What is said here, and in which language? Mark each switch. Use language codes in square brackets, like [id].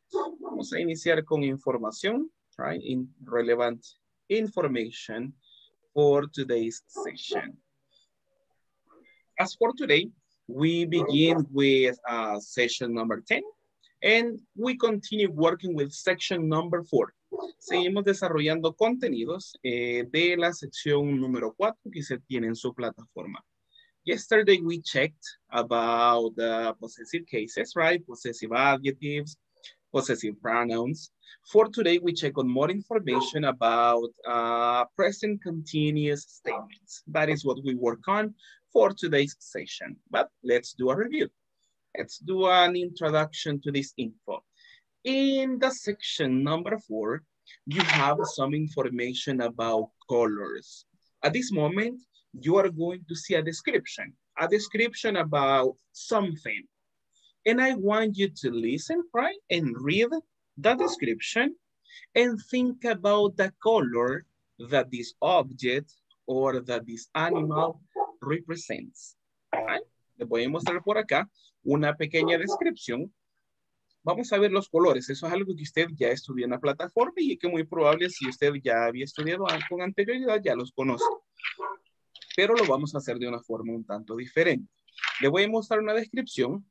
[es] Vamos a iniciar con información, [en] right? In relevant information for today's session. As for today, we begin with session number 10, and we continue working with section number 4. [es] Seguimos desarrollando contenidos de la sección número 4 que se tiene en su plataforma. [en] yesterday we checked about the possessive cases, right? Possessive adjectives, possessive pronouns. For today, we check on more information about present continuous statements. That is what we work on for today's session. But let's do a review. Let's do an introduction to this info. In the section number 4, you have some information about colors. At this moment, you are going to see a description about something. And I want you to listen, right, and read the description and think about the color that this object or that this animal represents. [es] Le voy a mostrar por acá una pequeña descripción. Vamos a ver los colores. Eso es algo que usted ya estudió en la plataforma y que muy probable si usted ya había estudiado con anterioridad, ya los conoce. Pero lo vamos a hacer de una forma un tanto diferente. Le voy a mostrar una descripción.